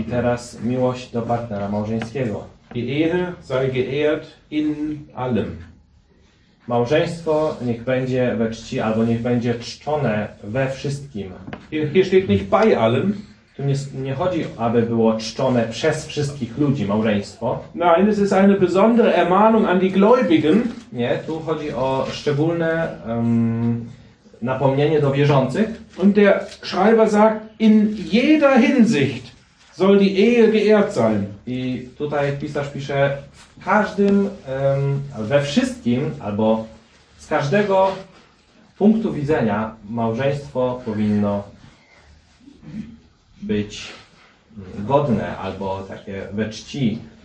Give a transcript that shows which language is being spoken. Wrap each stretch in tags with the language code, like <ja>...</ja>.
<pl>I teraz miłość do partnera małżeńskiego.</pl> <de>Die Ehe sei geehrt in allem.</de> <pl>Małżeństwo niech będzie we czci, albo niech będzie czczone we wszystkim.</pl> <de>Hier steht nicht bei allem.</de> <pl>Tu nie chodzi, aby było czczone przez wszystkich ludzi, małżeństwo.</pl> <de>Nein, es ist eine besondere Ermahnung an die Gläubigen.</de> <pl>Nie, tu chodzi o szczególne napomnienie do wierzących.</pl> <de>Und der Schreiber sagt, in jeder Hinsicht soll die Ehe geehrt sein.</de> <pl>I tutaj pisarz pisze, w każdym, we wszystkim, albo z każdego punktu widzenia małżeństwo powinno być godne, albo takie we czci.</pl>